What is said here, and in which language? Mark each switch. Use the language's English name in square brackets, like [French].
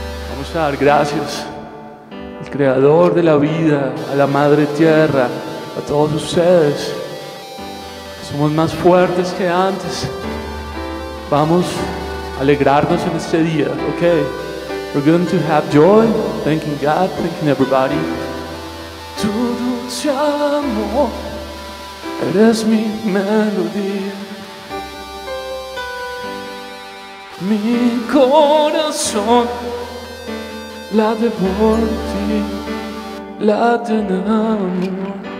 [Spanish] Vamos a dar gracias al Creador de la vida, a la Madre Tierra, a todos ustedes. Somos más fuertes que antes. Vamos a alegrarnos en este día, ¿ok? [English] We're going to have joy, thanking God, thanking everybody. [Spanish] Tu dulce amor, eres mi melodía. Mi corazón late por ti, late en amor.